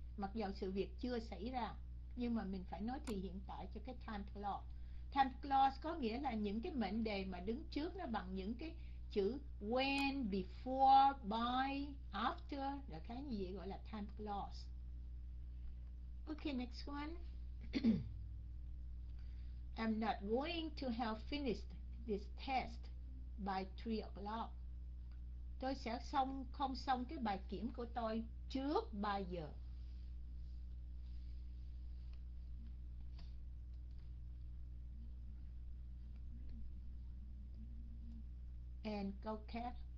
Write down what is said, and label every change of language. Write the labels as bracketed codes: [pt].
[vi] Mặc dù sự việc chưa xảy ra, nhưng mà mình phải nói thì hiện tại cho cái time clause. Time clause có nghĩa là những cái mệnh đề mà đứng trước nó bằng những cái chữ when, before, by, after, là cái như vậy gọi là time clause. [en] Okay, next one. I'm not going to have finished this test by 3 o'clock. [vi] Tôi sẽ xong, không xong cái bài kiểm của tôi trước 3 giờ. And go cat.